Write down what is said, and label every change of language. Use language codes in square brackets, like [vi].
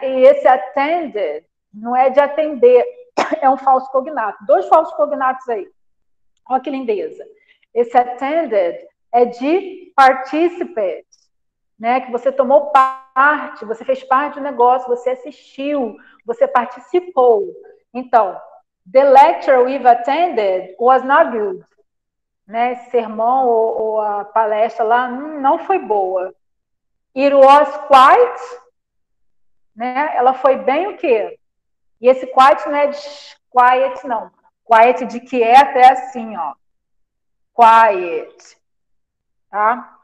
[pt] E esse attended não é de atender, é um falso cognato. Dois falsos cognatos aí. Olha que lindeza. Esse attended é de participate, né? Que você tomou parte, você fez parte do negócio, você assistiu, você participou. Então, [en] the lecture we've attended was not good. [pt] Né, sermão ou a palestra lá não foi boa. [en] It was quiet, [pt] né? Ela foi bem o quê? E esse quiet não é de quiet, não. Quiet de quieto é assim, ó. Quiet. Tá?